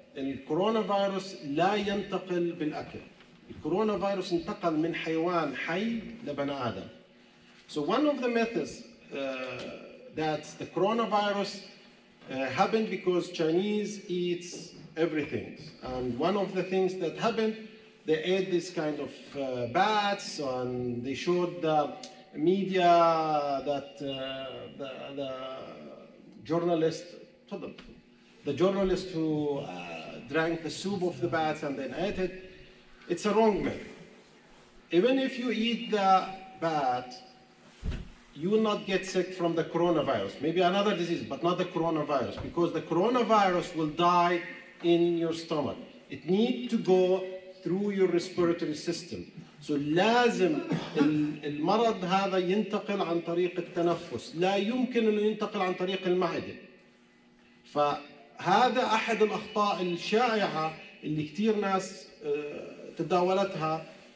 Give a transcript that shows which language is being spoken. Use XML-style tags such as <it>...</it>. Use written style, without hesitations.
<ar>الكورونا فيروس لا ينتقل بالأكل. الكورونا فيروس انتقل من حيوان حي لبني آدم.</ar> <en>So one of the myths that the coronavirus happened because Chinese eats everything. And one of the things that happened, they ate this kind of bats, and they showed the media that the journalist, the journalist who drank the soup of the bats and then ate it. It's a wrong myth. Even if you eat the bat, you will not get sick from the coronavirus. Maybe another disease, but not the coronavirus, because the coronavirus will die in your stomach. It needs to go through your respiratory system.</en> <ar>So لازم المرض هذا ينتقل عن طريق التنفس. لا يمكن أن ينتقل عن طريق المعدة. فهذا أحد الأخطاء الشائعة اللي كتير ناس تداولتها.</ar>